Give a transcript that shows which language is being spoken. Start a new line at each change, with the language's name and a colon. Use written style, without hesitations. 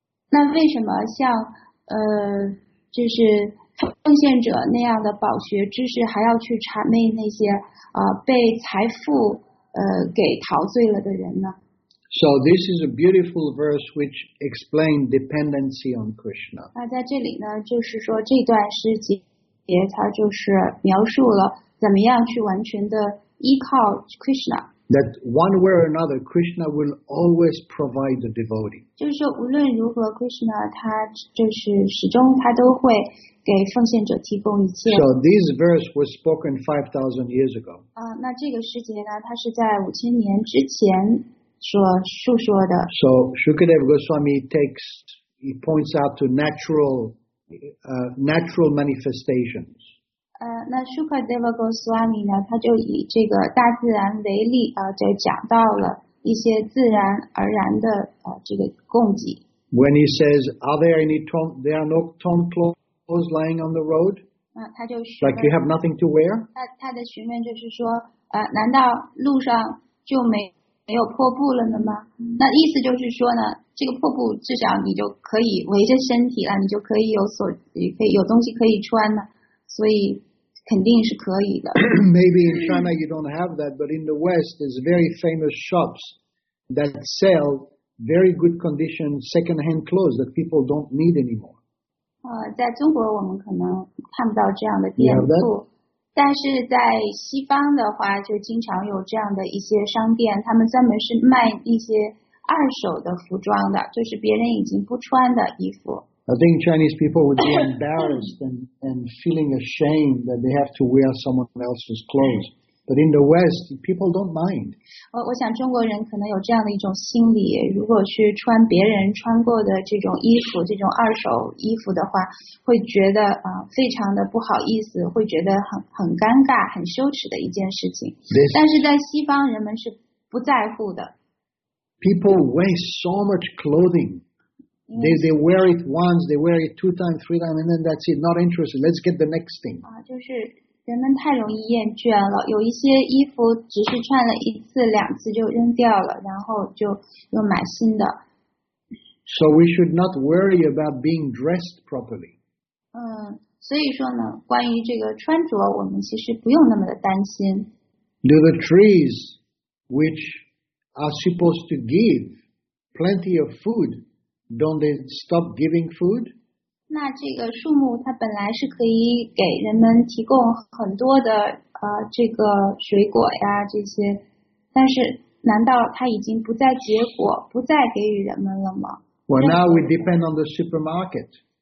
Chinese: 那为什么像就是奉献者那样的饱学知识，还要去谄媚那些被财富给陶醉了的人呢？
English: So this is a beautiful verse which explains dependency on Krishna.
Chinese: 那在这里呢，就是说这段诗节，它就是描述了怎么样去完全的依靠 Krishna.
English: That one way or another, Krishna will always provide the devotee.
Chinese: 就是说无论如何 ，Krishna 他就是始终他都会给奉献者提供一切。
English: So this verse was spoken 5,000 years ago.
Chinese: 那这个诗节呢，它是在5000年之前。说的
English: So Shukadeva Goswami takes, he points out to natural manifestations.
Chinese: 那 Shukadeva Goswami 呢，他就以这个大自然为例，就讲到了一些自然而然的这个供给。
English: When he says, "Are there any torn? There are no torn clothes lying on the road."
Chinese: 他就是
English: like you have nothing to wear.
Chinese: 他的询问就是说，难道路上就没有破布了呢吗？那意思就是说呢，这个破布至少你就可以围着身体了，你就可以有东西可以穿了。所以肯定是可以的。
English: Maybe in China you don't have that, but in the West there's very famous shops that sell very good condition second-hand clothes that people don't need anymore.
Chinese: 在中国我们可能看不到这样的店铺。但是在西方的话就经常有这样的一些商店，他们专门是卖一些二手的服装的，就是别人已经不穿的衣服。
English: I think Chinese people would be embarrassed and feeling ashamed that they have to wear someone else's clothes. But in the West, people don't mind.
Chinese: 我想中国人可能有这样的一种心理，如果去穿别人穿过的这种衣服，这种二手衣服的话，会觉得非常的不好意思，会觉得很尴尬，很羞耻的一件事情。但是在西方，人们是不在乎的。
English: People waste so much clothing. They wear it once, they wear it two times, three times, and then that's it. Not interested. Let's get the next thing.
Chinese: 就是人们太容易厌倦了，有一些衣服只是穿了一次两次就扔掉了，然后就又买新的。
English: So we should not worry about being dressed properly.
Chinese: 所以说呢，关于这个穿着，我们其实不用那么的担心。
English: Do the trees which are supposed to give plenty of food, don't they stop giving food?
Chinese: 那这个树木它本来是可以给人们提供很多的这个水果呀这些，但是难道它已经不再结果，不再给予人们了吗？
English: Well, now we depend on the supermarket.